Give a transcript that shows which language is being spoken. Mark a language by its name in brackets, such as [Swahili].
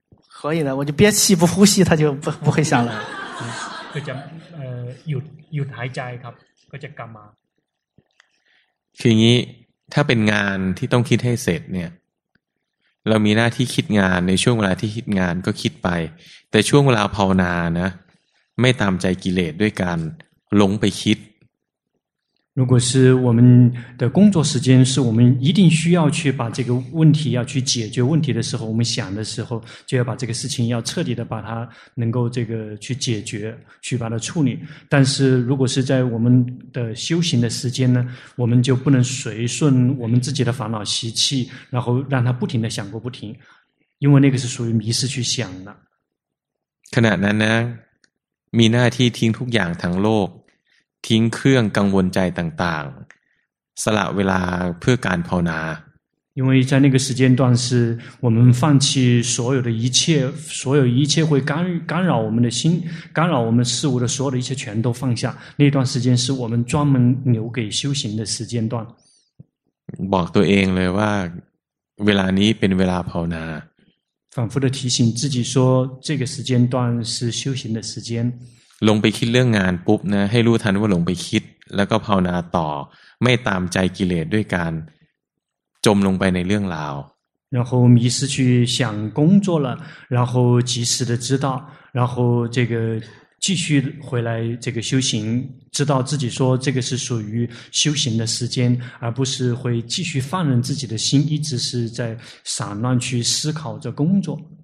[Chinese] 可以的我就憋气不呼吸他就不会想了 [Thai] ก็จะหยุดหายใจครับก็จะกลับมา คืออย่างนี้ถ้าเป็นงานที่ต้องคิดให้เสร็จเนี่ยเรามีหน้าที่คิดงานในช่วงเวลาที่คิดงานก็คิดไปแต่ช่วงเวลาภาวนานะไม่ตามใจกิเลสด้วยการหลงไปคิด [Chinese] 如果是我们的工作时间是我们一定需要去把这个问题要去解决问题的时候我们想的时候就要把这个事情要彻底的把它能够这个去解决去把它处理但是如果是在我们的修行的时间呢我们就不能随顺我们自己的烦恼习气然后让它不停的想过不停因为那个是属于迷失去想的 [Thai] ขณะนั้นนะมีหน้าที่ทิ้งทุกอย่างทั้งโลกทิ้งเครื่องกังวลใจต่างๆสละเวลาเพื่อการภาวนา [Chinese] 因为在那个时间段是我们放弃所有的一切所有一切会干扰我们的心干扰我们事物的所有的一切全都放下那段时间是我们专门留给修行的时间段 [Thai] บอกตัวเองเลยว่าเวลานี้เป็นเวลาภาวนา [Chinese] 反复的提醒自己说这个时间段是修行的时间 [Thai] ลงไปคิดเรื่องงานปุ๊บนะให้รู้ทันว่าลงไปคิดแล้วก็ภาวนาต่อไม่ตามใจกิเลสด้วยการจมลงไปในเรื่องราว [Chinese] 然后迷失去想工作了然后及时的知道然后这个继续回来这个修行知道自己说这个是属于修行的时间而不是会继续放任自己的心一直是在散乱去思考着工作